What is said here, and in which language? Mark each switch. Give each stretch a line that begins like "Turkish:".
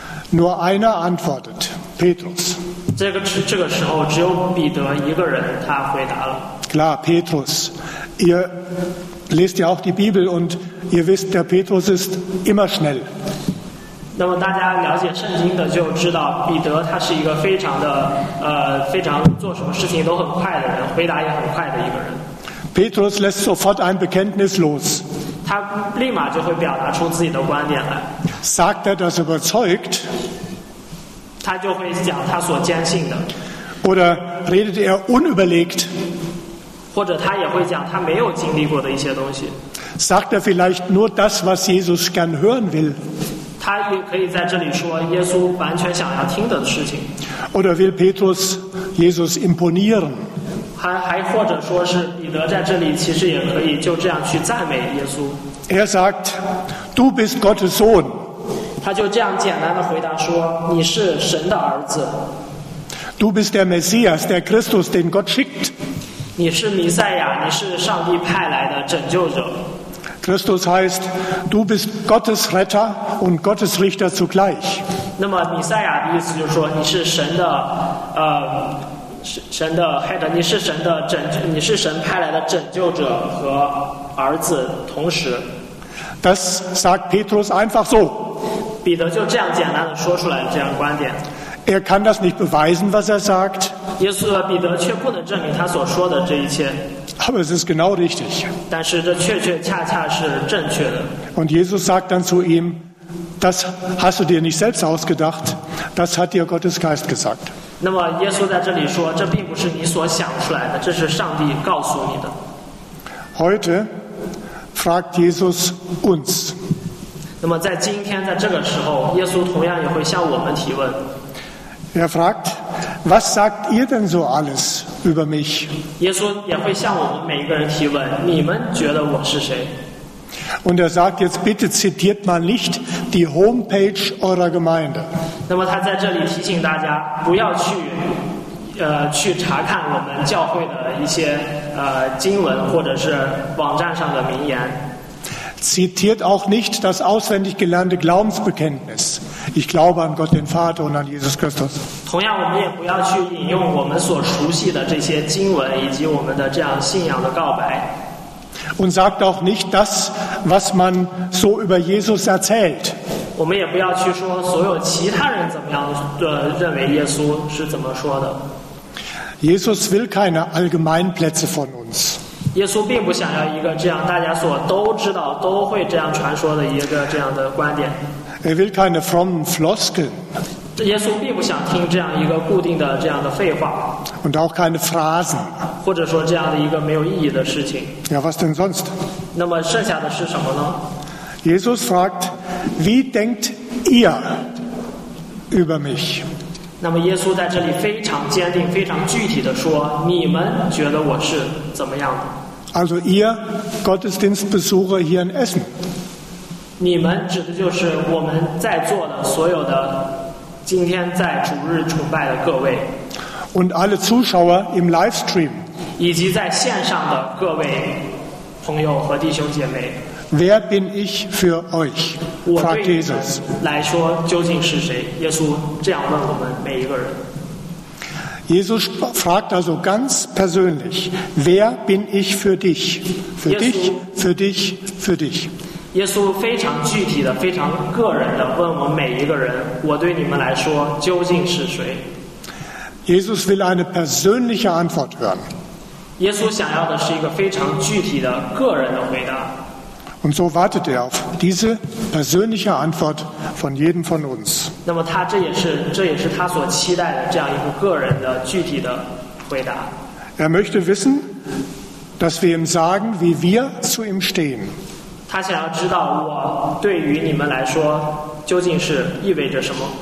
German: Nur einer antwortet, Petrus.
Chinese: 这个时候只有彼得一个人他回答了。
German: Klar, Petrus, ihr lest ja auch die Bibel und ihr wisst, der Petrus ist immer schnell.
Chinese: 那么大家了解圣经的就知道彼得他是一个非常的非常做什么事情都很快的人，回答也很快的一个人。
German: Petrus lässt sofort ein Bekenntnis los.
Chinese: 他立马就会表达出自己的观点来。
German: Sagt er das überzeugt?
Chinese: 他就会讲他所坚信的。
German: Oder redet er unüberlegt?
Chinese: 或者他也会讲他没有经历过的一些东西。
German: Sagt er vielleicht nur das, was Jesus gern hören will?
Chinese: 他也可以在这里说耶稣完全想要听的事情。
German: Oder will Petrus Jesus imponieren?
Chinese: 还或者说是彼得在这里其实也可以就这样去赞美耶稣。
German: Er sagt, du bist Gottes Sohn.
Chinese: 他就这样简单的回答说：“你是神的儿子。”
German: Du bist der Messias, der Christus, den Gott schickt.
Chinese: 你是弥赛亚，你是上帝派来的拯救者。
German: Christus heißt, du bist Gottes Retter und Gottes Richter zugleich.
Chinese: 那么弥赛亚的意思就是说你是神的神的 head， 你是神的拯救，你是神派来的拯救者和儿子同时。
German: Das sagt Petrus einfach so.
Chinese: 彼得就这样简单的说出来这样的观点。
German: Er kann das nicht beweisen, was er sagt.
Chinese: 耶稣和彼得却不能证明他所说的这一切。
German: Aber es ist genau richtig.
Chinese: 但是这确确恰恰是正确的。
German: Und Jesus sagt dann zu ihm, das hast du dir nicht selbst ausgedacht, das hat dir Gottes Geist gesagt.
Chinese: 那么耶稣在这里说，这并不是你所想出来的，这是上帝告诉你的。
German: Heute fragt Jesus uns.
Chinese: 那么在今天，在这个时候，耶稣同样也会向我们提问。
German: Er fragt, was sagt ihr denn so alles über mich?
Chinese: 耶稣也会向我们每一个人提问，你们觉得我是谁？
German: Und er sagt jetzt, bitte zitiert mal nicht die Homepage eurer Gemeinde.
Chinese: 那么他在这里提醒大家，不要去，去查看我们教会的一些经文或者是网站上的名言。
German: Zitiert auch nicht das auswendig gelernte Glaubensbekenntnis. Ich glaube an Gott den Vater und an Jesus Christus.
Chinese: 同样，我们也不要去引用我们所熟悉的这些经文以及我们的这样信仰的告白。
German: Und sagt auch nicht das, was man so über Jesus erzählt.
Chinese: 我们也不要去说所有其他人怎么样的认为耶稣是怎么说的。
German: Jesus will keine Allgemeinplätze von uns.
Chinese: 耶稣并不想要一个这样大家所都知道都会这样传说的一个这样的观点。
German: Er will keine frommen Floskeln.
Chinese: 耶稣并不想听这样一个固定的这样的废话。
German: Und auch keine Phrasen.
Chinese: 或者说这样的一个没有意义的事情。
German: Ja, was denn sonst?
Chinese: 那么剩下的是什么呢？
German: Jesus fragt, wie denkt ihr über mich?
Chinese: 那么耶稣在这里非常坚定非常具体的说，你们觉得我是怎么样的？
German: Also ihr Gottesdienstbesucher hier in Essen.
Chinese: 你们指的就是我们在座的所有的今天在主日崇拜的各位。
German: Und alle Zuschauer im Livestream.
Chinese: 以及在线上的各位朋友和弟兄姐妹。
German: Wer bin ich für euch? Fragt Jesus.
Chinese: 我对你来说究竟是谁？耶稣这样问我们每一个人。
German: Jesus fragt also ganz persönlich, wer bin ich für dich? Für dich, für dich, für dich.
Chinese: 耶稣非常具体的、非常个人的问我们每一个人，我对你们来说究竟是谁？
German: Jesus will eine persönliche Antwort hören.
Chinese: Jesus 想要的是一个非常具体的个人的回答。
German: Und so wartet er auf diese persönliche Antwort von jedem von uns.
Chinese: 那么他这也是他所期待的这样一个个人的具体的回答。
German: Er möchte wissen, dass wir ihm sagen, wie wir zu ihm stehen.
Chinese: 他想要知道我对于你们来说究竟是意味着什么。